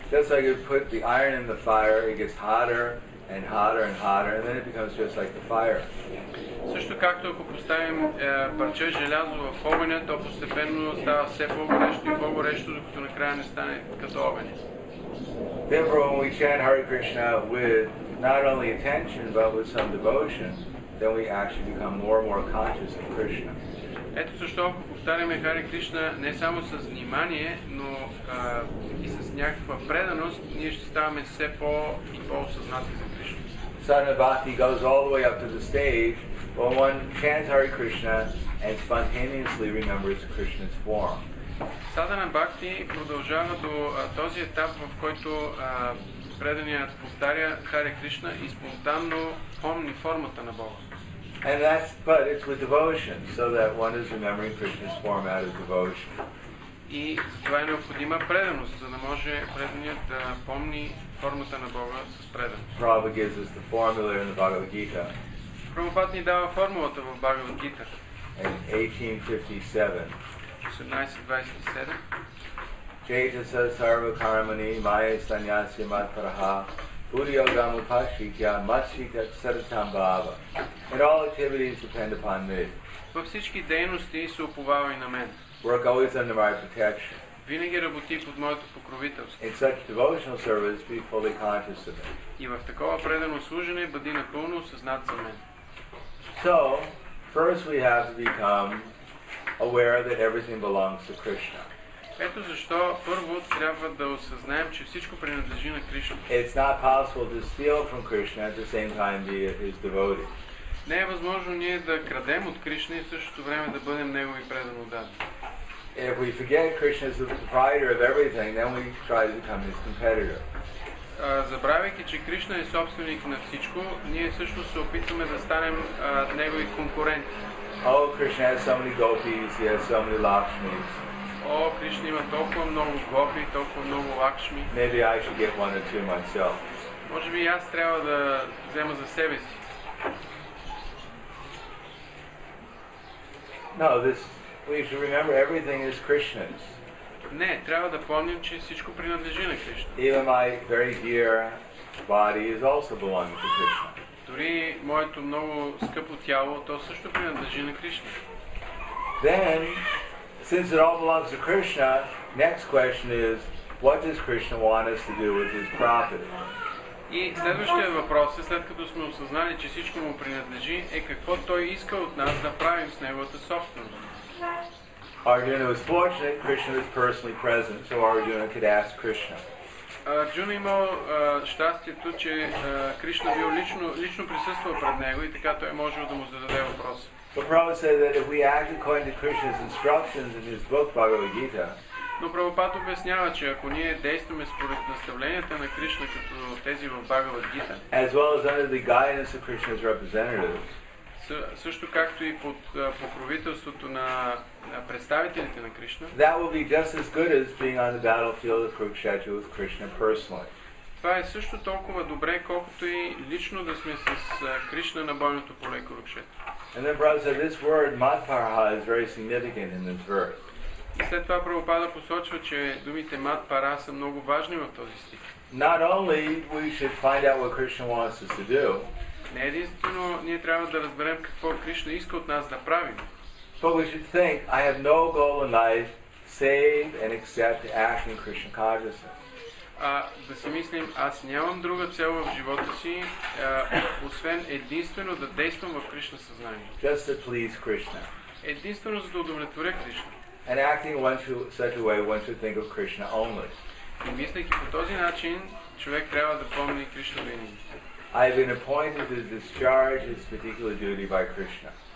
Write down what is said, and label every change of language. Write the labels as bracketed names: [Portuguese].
[English] Just like you put the iron in the fire, it gets hotter and hotter and hotter, and then it becomes just like the fire. [Bulgarian] Също както ако поставим парче желязо в огъня, то постепенно става все по-горещо и по-горещо, докато накрая не стане като огън. [English] Therefore, when we chant Hare Krishna with not only attention but with some devotion, then we actually become more and more conscious of Krishna. [Bulgarian] Ето защо повтаряме Хари Кришна не само с внимание, но и с някаква преданост, ние ще ставаме все по и по осъзнати за Кришна. [English] Sadhana Bhakti goes all the way up to the stage when one chants Hare Krishna and spontaneously remembers Krishna's form. [Bulgarian] Садана Бхакти продължава до този етап, в който преданият повтаря Харе Кришна и спонтанно помни формата на Бога. [English] And that's, but it's with devotion, so that one is remembering Krishna's form out of devotion. [Bulgarian] И това е необходима преданост, за да може преданият да помни формата на Бога с преданост. [English] Prabhupada gives us the formula in the Bhagavad Gita. [Bulgarian] Прабхупад ни дава формулата в Бхагавад Гита. [English] In 1857. [Sanskrit] Jetasa sarva karmani maya sanyasya matraha puryogam upashikya matshika saritam bhava. [English] And all activities depend upon me. [Bulgarian] Във всички дейности се уповавай на мен. [English] Work always under my protection. [Bulgarian] Винаги работи под моето покровителство. [English] In such devotional service, be fully conscious of it. [Bulgarian] И в такова предано служене, бъди напълно осъзнат за мен. [English] So, first we have to become aware that everything belongs to Krishna. [Bulgarian] Ето защо първо трябва да осъзнаем, че всичко принадлежи на Кришна. [English] It's not possible to steal from Krishna at the same time be his devotee. [Bulgarian] Не е възможно ние да крадем от Кришна и в същото време да бъдем негови предано отдадени. [English] If we forget Krishna is the proprietor of everything, then we try to become his competitor. [Bulgarian] Забравяйки, че Кришна е собственик на всичко, ние също се опитваме да станем негови конкуренти. [English] Oh, Krishna has so many gopis, he has so many lakshmis. [Bulgarian] Oh, Krishna има толкова много гопи, толкова много лакшми. [English] Maybe I should get one or two myself. [Bulgarian] Може би аз трябва да взема за себе си. [English] No, this, we should remember everything is Krishna's. [Bulgarian] Не, трябва да помним, че всичко принадлежи на Кришна. [English] Even my very dear body is also belonging to Krishna. [Bulgarian] Дори моето много скъпо тяло, то също принадлежи на Кришна. [English] Then, since it all belongs to Krishna, next question is, what does Krishna want us to do with his property? [Bulgarian] И следващия въпрос е, след като сме осъзнали, че всичко му принадлежи, е какво той иска от нас да правим с неговата собственост. [English] Arjuna was fortunate, Krishna was personally present, so Arjuna could ask Krishna. [Bulgarian] Арджуна имал щастието, че Кришна бил лично присъствал пред него и така той можел да му зададе въпрос. [English] But Prabhupada said that if we act according to Krishna's instructions in his book Bhagavad Gita. [Bulgarian] Но Прабхупад обяснява, че ако ние действаме според наставленията на Кришна като тези в Бхагавад Гита, [English] as well as under the guidance of Krishna's representatives, [Bulgarian] също както и под покровителството на представителите на Кришна. [English] That will be just as good as being on the battlefield of Kurukshetra with Krishna personally. [Bulgarian] Това е също толкова добре, колкото и лично да сме с Кришна на бойното поле Курукшетра. [English] And then, brother, this word Madparaha is very significant in this verse. [Bulgarian] И след това Прабхупада посочва, че думите Мадпара са много важни в този стих. [English] Not only we should find out what Krishna wants us to do. [Bulgarian] Не единствено ние трябва да разберем какво Кришна иска от нас да правим. [English] But we should think, I have no goal in life save and except to act in Krishna consciousness. [Bulgarian] А да си мислим, аз нямам друга цел в живота си, освен единствено да действам в Кришна съзнание. [English] Just to please Krishna. [Bulgarian] Единствено за да удовлетворя Кришна. [English] And acting one should, such a way one should think of Krishna only. [Bulgarian] И мислейки по този начин, човек трябва да помни Кришна винаги. [English] I have been appointed to discharge this particular duty by Krishna.